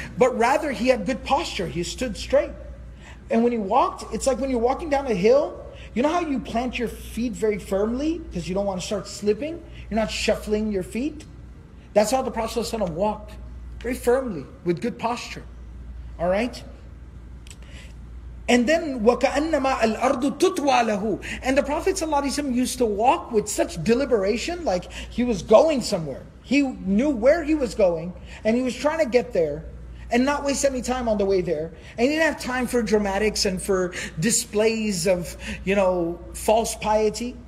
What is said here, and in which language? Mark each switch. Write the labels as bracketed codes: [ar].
[en] But rather he had good posture, he stood straight. And when he walked, it's like when you're walking down a hill, you know how you plant your feet very firmly because you don't want to start slipping? You're not shuffling your feet? That's how the Prophet ﷺ walked, very firmly, with good posture. All right? And then, [ar] وَكَأَنَّمَا الْأَرْضُ تُطْوَى لَهُ. [en] And the Prophet ﷺ used to walk with such deliberation, like he was going somewhere. He knew where he was going, and he was trying to get there, and not waste any time on the way there. And he didn't have time for dramatics and for displays of, you know, false piety.